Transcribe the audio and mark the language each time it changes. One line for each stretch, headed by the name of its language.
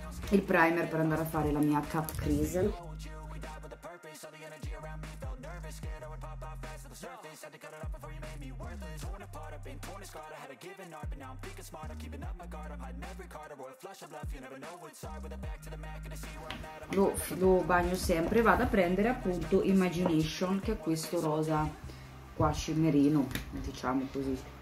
Italian: Il primer per andare a fare la mia cut crease.
English: place, had to cut it off before you made me worthless. Torn apart, I've been torn and scarred. I had a given art, but now I'm picking smart. I'm keeping up my guard, I'm hiding every card. A royal flush of love, you never know what's hard. With a back to the mat, gonna see where I'm at.
Italian: Lo bagno sempre, vado a prendere appunto Imagination, che è questo rosa qua, scimmerino, diciamo così.